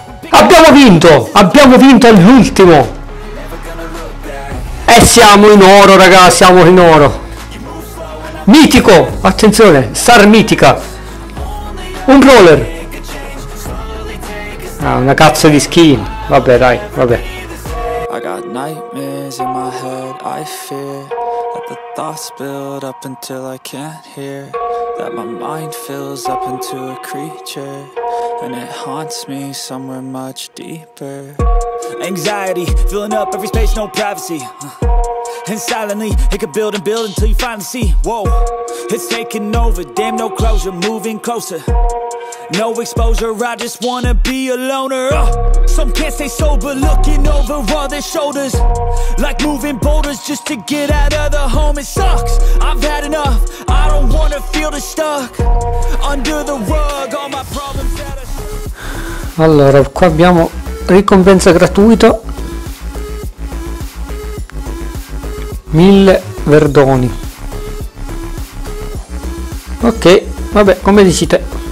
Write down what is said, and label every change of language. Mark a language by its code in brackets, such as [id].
[it] abbiamo vinto, abbiamo vinto all'ultimo e siamo in oro, ragazzi, siamo in oro. Mitico, attenzione, star mitica, un brawler. Ah, una cazzo di skin, vabbè, dai, vabbè. [en] I got nightmares in my head, I fear that the thoughts build up until I can't hear, that my mind fills up into a creature and it haunts me somewhere much deeper. Anxiety filling up every space, no privacy. And silently, it could build and build until you finally see. Whoa, it's taking over, damn no closure, moving closer. No exposure, I just wanna be a loner. Some can't stay sober, looking over all their shoulders, like moving boulders just to get out of the home. It sucks, I've had enough, I don't wanna feel the stuck under the rug, all my problems that are... [it] Allora, qua abbiamo ricompensa gratuita. 1000 verdoni. Ok, vabbè, come dici te.